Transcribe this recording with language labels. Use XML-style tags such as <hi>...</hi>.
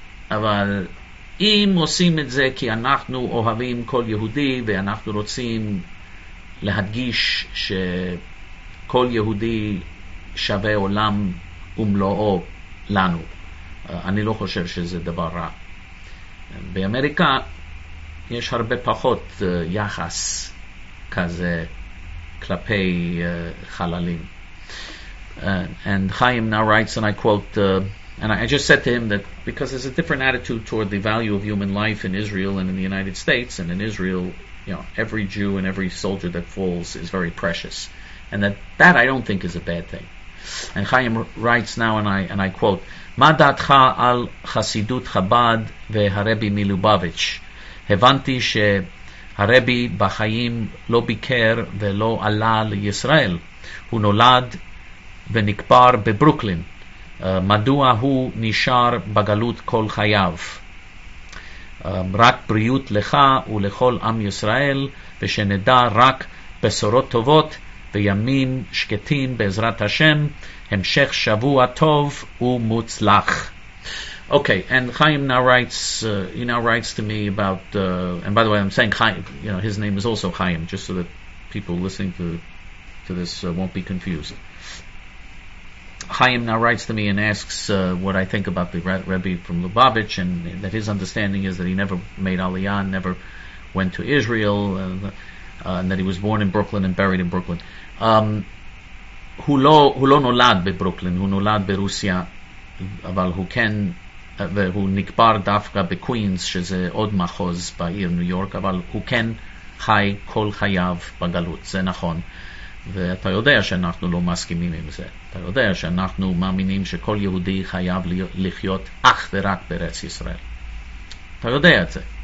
<he>אבל אם עושים את זה כי אנחנו אוהבים כל יהודי ואנחנו רוצים להדגיש שכל יהודי שווה עולם ומלואו לנו, אני לא חושב שזה דבר רע. באמריקה יש הרבה פחות יחס כזה כלפי חללים.</he> <en>And Chaim now writes, and I quote, and I just said to him that because there's a different attitude toward the value of human life in Israel and in the United States, and in Israel, you know, every Jew and every soldier that falls is very precious, and that I don't think is a bad thing. And Chaim writes now, and I quote,</en> <he>מה דעתך על חסידות חב"ד והרבי מלובביץ'? הבנתי שהרבי בחיים לא ביקר ולא עלה לישראל. הוא נולד ונקבר בברוקלין. מדוע הוא נשאר בגלות כל חייו? רק בריאות לך ולכל עם ישראל, ושנדע רק בשורות טובות וימים שקטים בעזרת השם. המשך שבוע טוב ומוצלח.</he> <en>Okay, and Chaim now writes, he now writes to me about, and by the way, I'm saying Chaim, you know, his name is also Chaim, just so that people listening to this won't be confused. Chaim now writes to me and asks what I think about the Rebbe from Lubavitch, and that his understanding is that he never made Aliyah, never went to Israel, and that he was born in Brooklyn and buried in Brooklyn.</en> <he>הוא לא נולד בברוקלין, הוא נולד ברוסיה, אבל הוא כן, והוא נקבר דווקא בקווינס, שזה עוד מחוז בעיר ניו יורק, אבל הוא כן חי כל חייו בגלות, זה נכון. ואתה יודע שאנחנו לא מסכימים עם זה. אתה יודע שאנחנו מאמינים שכל יהודי חייב לחיות אך ורק בארץ ישראל. אתה יודע את זה.</he>